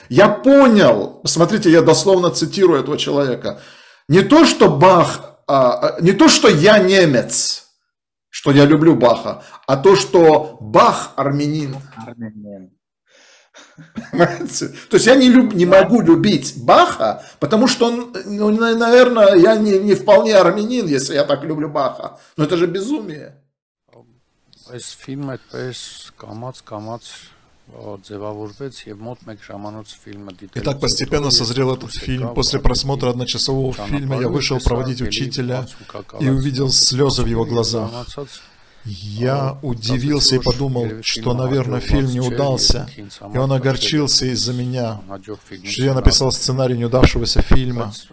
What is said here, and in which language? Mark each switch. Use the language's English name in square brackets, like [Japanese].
[Russian] Я понял, смотрите, я дословно цитирую этого человека, не то что Бах, не то что я немец, что я люблю Баха, а то, что Бах армянин. Понимаете? То есть я не могу любить Баха, потому что, он, ну, наверное, я не вполне армянин, если я так люблю Баха. Но это же безумие. [Armenian] Այս ֆիլմը այդպես կամաց-կամաց ձևավորվեց եւ մոտ 1 ժամանոց ֆիլմը դիտելու։ [Russian] Итак, постепенно созрел этот фильм. После просмотра одночасового фильма я вышел проводить учителя и увидел слезы в его глазах. Я удивился и подумал, что, наверное, фильм не удался, и он огорчился из-за меня, что я написал сценарий неудавшегося фильма.